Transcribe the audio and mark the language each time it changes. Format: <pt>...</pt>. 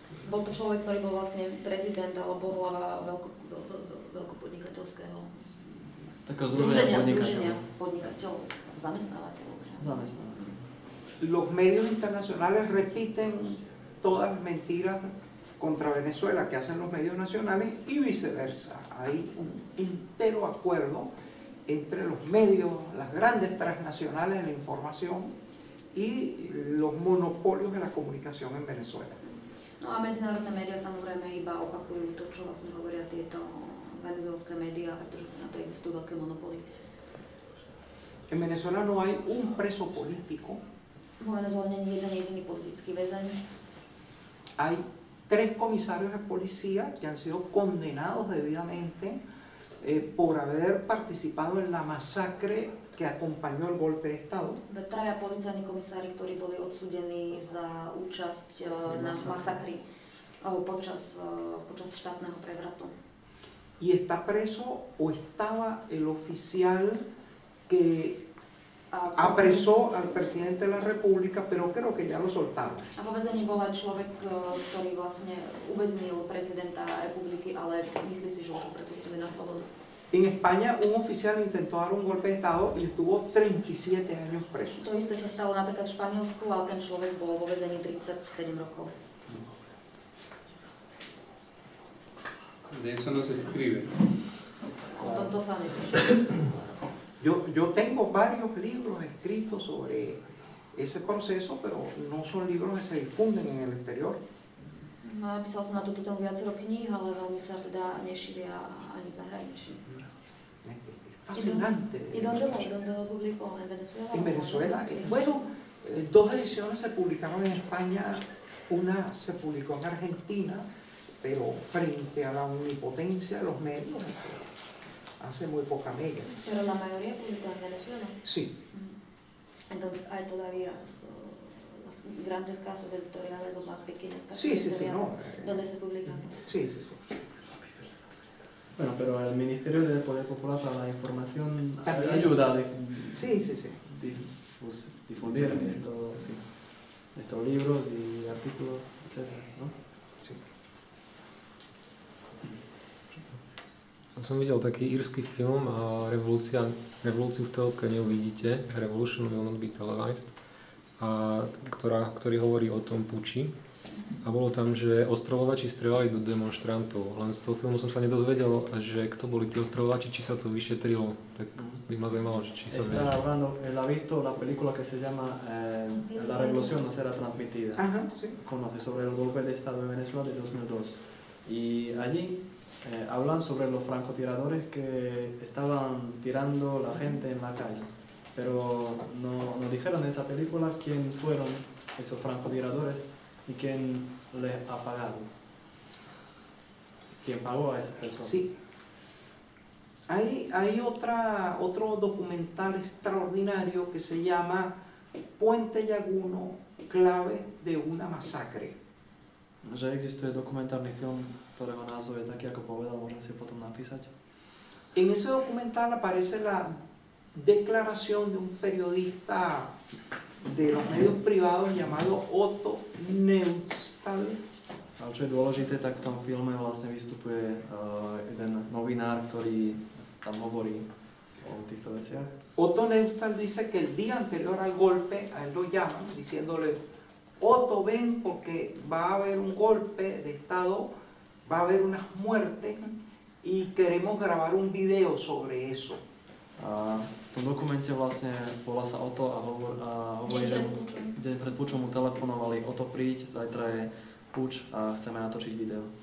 <sk>Bol to človek, ktorý bol vlastne prezident alebo hlava veľkopodnikateľského združenia podnikateľov, zamestnávateľov.</sk> <es>Los medios internacionales repiten todas las mentiras contra Venezuela que hacen los medios nacionales y viceversa. Hay un entero acuerdo entre los medios, las grandes transnacionales de la información y los monopolios de la comunicación en Venezuela.</es> <sk>No a medzinárodné médiá samozrejme iba opakujú to, čo vlastne hovoria tieto venezuelské médiá, pretože na to existujú veľké monopoly.</sk> <es>En Venezuela no hay un preso político.</es> <sk>Vo Venezuele nie je jeden jediný politický väzeň.</sk> <es>Hay tres comisarios de policía que han sido condenados debidamente por haber participado en la masacre que acompañó el golpe de Estado.</es> <sk>Traja policajní komisári, ktorí boli odsúdení za účasť na masakri počas štátneho prevratu.</sk> <es>Y está preso o estaba el oficial que apresó al presidente de la República, pero creo que ya lo soltaron.</es> <sk>A vo väzení bol aj človek, ktorý vlastne uväznil prezidenta republiky, ale myslí si, že už ho prepustili na slobodu.</sk> <es>En España un oficial intentó dar un golpe de estado y estuvo 37 años preso.</es> <sk>To isté sa stalo napríklad v Španielsku, ale ten človek bol vo väzení 37 rokov.</sk> <es>De eso no se escribe.</es> <sk>O tomto sa nepíše.</sk> <es>Yo tengo varios libros escritos sobre ese proceso, pero no son libros que se difunden en el exterior.</es> <sk>No, ja písal som na túto tému viacero kníh, ale veľmi sa teda nešíria ani v zahraničí.</sk> <es>Fascinante. ¿Y dónde lo publicó? ¿En Venezuela? En Venezuela. Bueno, dos ediciones se publicaron en España, una se publicó en Argentina, pero frente a la omnipotencia de los medios, hace muy poca media. ¿Pero la mayoría publicó en Venezuela? Sí. Entonces, ¿hay todavía las grandes casas editoriales o más pequeñas casas? Sí, sí, sí, no. ¿Dónde se publican? Sí, sí, sí. Bueno, pero el Ministerio del Poder Popular para la Información también ayuda a difundir estos libros y artículos, etc., ¿no? Sí.</es> <sk>Som videl taký írsky film Revolúciu v telke neuvidíte, Revolution will not be televised, ktorý hovorí o tom puči. A bolo tam, že ostreľovači streľali do demonstrantov. Len z toho filmu som sa nedozvedel, že kto boli tí ostreľovači, či sa to vyšetrilo. Tak by ma zaujímalo, že či sa vie.</sk> <es>Está hablando, él ha visto la película que se llama La revolución no será transmitida. Ajá, sí. Conoce sobre el golpe de estado en Venezuela de 2002. Y allí hablan sobre los francotiradores que estaban tirando la gente en la calle. Pero no dijeron en esa película quién fueron esos francotiradores y quién les ha pagado. ¿Quién pagó a esa persona? Sí. Hay otro documental extraordinario que se llama Puente Llaguno, clave de una masacre.</es> <sk>Že existuje dokumentárny film, ktorého názov je taký, ako povedal, môžem si potom napísať.</sk> <es>En ese documental aparece la declaración de un periodista de los medios privados llamado Otto Neustadt.</es> <sk>A čo je dôležité, tak v tom filme vlastne vystupuje jeden novinár, ktorý tam hovorí o týchto veciach.</sk> <es>Otto Neustadt dice que el día anterior al golpe, a él lo llama, diciéndole: Otto, ven porque va a haber un golpe de estado, va a haber unas muertes y queremos grabar un video sobre eso.</es> <sk>V tom dokumente vlastne volá sa Otto a hovorí, že deň pred púčom mu telefonovali: Otto, príď, zajtra je púč a chceme natočiť video.</sk>